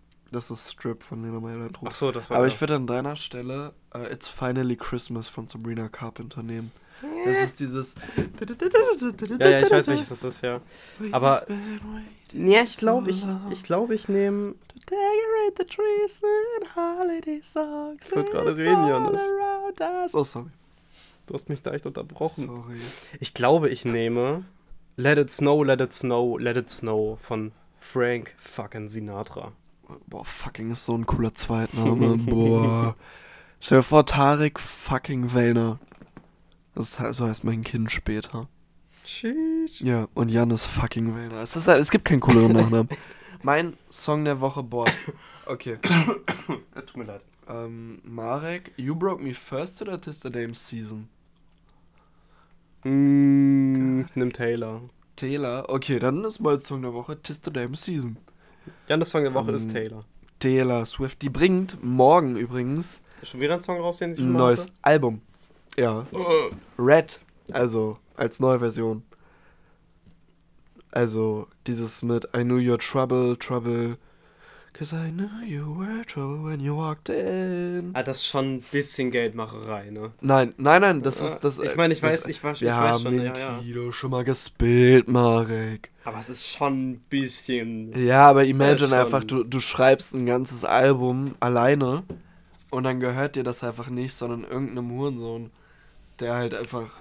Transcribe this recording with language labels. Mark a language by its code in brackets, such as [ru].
[de] Das ist Strip von Nina Meyland. Ach so, das war. Aber ich würde an deiner Stelle It's Finally Christmas von Sabrina Carpenter nehmen. Das ist dieses. Ja, ja, ich weiß, welches das ist, ja. Aber. Ja, ich glaube, ich nehme. [en] To decorate the trees in holiday songs. [de] Ich wollte gerade reden, Jonas. [en] Oh, sorry. [de] Du hast mich da echt unterbrochen. [en] Sorry. [de] Ich glaube, ich nehme. Let it snow, let it snow, let it snow von Frank fucking Sinatra. Boah, fucking ist so ein cooler Zweitname. Boah. Stell dir vor, Tarek fucking Wellner. So heißt mein Kind später. Sheesh. Ja, und Jan ist fucking Wellner. Es gibt keinen cooleren Nachnamen. Mein Song der Woche, boah. Okay. Ja, tut mir leid. Marek, You Broke Me First oder Tis the Dame Season? Nimm Taylor. Taylor? Okay, dann ist mein Song der Woche Tis the Damn Season. Ja, das Song der Woche ist Taylor. Taylor Swift, die bringt morgen übrigens... Ist schon wieder ein Song raus, den sie schon mal neues hatte? Album. Ja. Red, also als neue Version. Also dieses mit [en] I knew your trouble, trouble. Cause I knew you were trouble when you walked in. [de] Ah, das ist schon ein bisschen Geldmacherei, ne? Nein, das ist... Ich meine, ich weiß schon, ja. Wir haben den Tilo schon mal gespielt, Marek. Aber es ist schon ein bisschen... Ja, aber imagine einfach, du schreibst ein ganzes Album alleine und dann gehört dir das einfach nicht, sondern irgendeinem Hurensohn, der halt einfach...